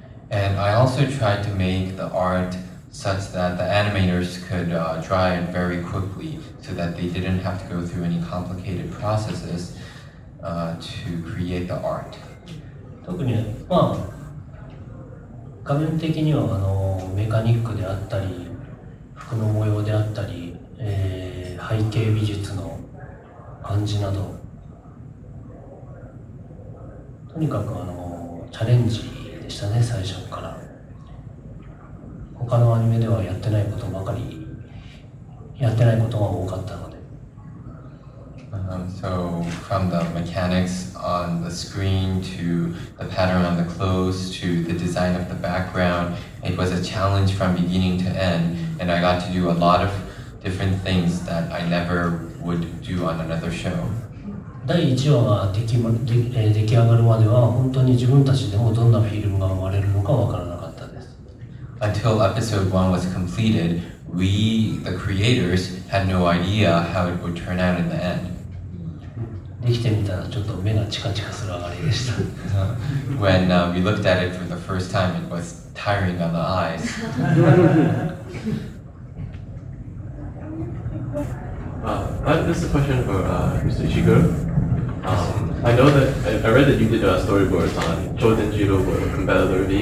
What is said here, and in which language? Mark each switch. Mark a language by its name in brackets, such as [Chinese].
[English] And I also tried to make the art such that the animators could draw it very quickly so that they didn't have to go through any complicated processes to create the art. [Japanese] 特に、まあ、画面的にはメカニックであったり、服の模様であったり、背景美術の感じなど、とにかくチャレンジでしたね、最初から。他のアニメではやってないことばかり、やってないことが多かったので。 [English] So, from the mechanics on the screen to the pattern on the clothes to the design of the background, it was a challenge from beginning to end, and I got to do a lot of different things that I never would do on another show. [Japanese] 第1話が出来上がるまでは本当に自分たちでもどんなフィルムが生まれるのか分からなかったです。 [English] Until episode 1 was completed, we, the creators, had no idea how it would turn out in the end. [Japanese] できてみたらちょっと目がチカチカするあがりでした。 [English] When we looked at it for the first time, it was tiring on the eyes. This is a question for Mr. Ishiguro. I know that, I read that you did storyboards on Chōdenji Robo Competitor V.